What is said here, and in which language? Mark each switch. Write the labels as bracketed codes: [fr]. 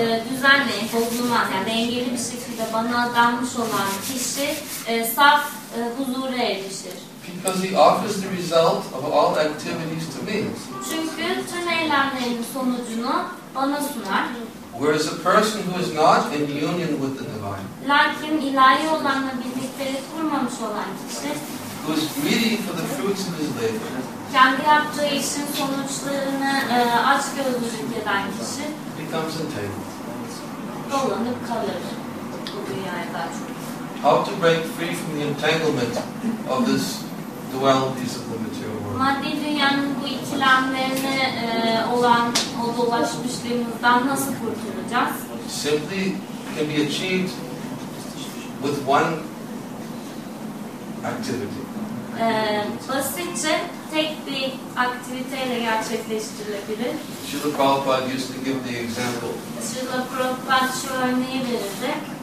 [tr] Düzenli, bozulmaz, yani dengeli bir şekilde bana adanmış olan kişi saf huzura erişir. [en] Because he offers the result of all activities to me. [tr] Çünkü tüm eylemlerin sonucunu bana sunar. [en] Whereas a person who is not in union with the divine. [tr] Lakin ilahi olanla birlikleri kurmamış olan kişi. [en] Who is greedy for the fruits of his labor. [tr] Kendi yaptığı işin sonuçlarını açgözlülük eden kişi. [en] Becomes entangled. [tr] Dolanıp kalır bu dünyada. [en] How to break free from the entanglement of this dualities of the material world? [tr] Maddi dünyanın bu ikilemlerine olan o dolaşmışlığımızdan nasıl kurtulacağız? [en] Simply can be achieved with one activity. [tr] Basitçe tek bir aktiviteyle gerçekleştirilebilir. [en] Srila Prabhupada used to give the example. [tr] Srila Prabhupada şu örneği verirdi.